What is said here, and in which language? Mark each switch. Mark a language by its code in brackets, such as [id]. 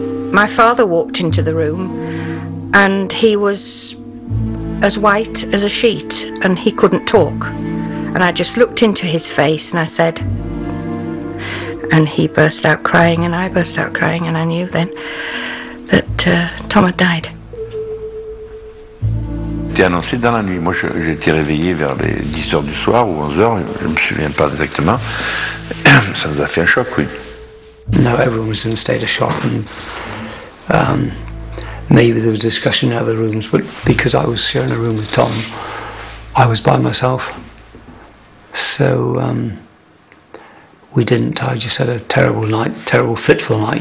[en] My father walked into the room and he was as white as a sheet and he couldn't talk. And I just looked into his face and I said, and he burst out crying, and I burst out crying, and I knew then that Tom had died. [fr] C'était annoncé dans la nuit. Moi, j'étais réveillé vers les 10h du soir ou 11h, je ne me souviens pas exactement. Ça nous a fait un choc, oui. [en] Now everyone was in a state of shock, and maybe there was discussion in other rooms, but because I was sharing a room with Tom, I was by myself. So we didn't. I just had a terrible night, terrible fitful night.